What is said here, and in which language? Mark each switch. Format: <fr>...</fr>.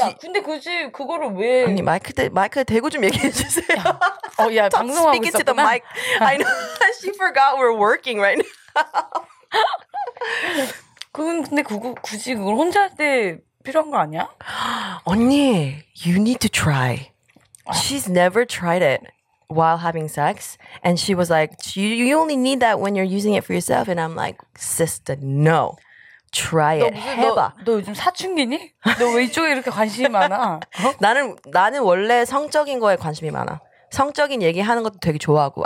<ko>야, 근데 굳이 그거를 왜? 아니 마이크 대고 좀 얘기해 주세요. 야 방송하고 있었구나.</ko> <en>Speak into the mic. I know. She forgot we're working right now.</en> <ko>그건 근데 굳이 그걸 혼자 할 때 필요한 거 아니야?</ko> <en>언니, you need to try. She's never tried it while having sex, and she was like, you only need that when you're using it for yourself. And I'm like, sister, no. Try it.</en> <ko>해봐. 너 요즘 사춘기니? 너 왜 이쪽에 이렇게 관심이 많아? 나는 원래 성적인 거에 관심이 많아. 성적인 얘기하는 것도 되게 좋아하고.</ko>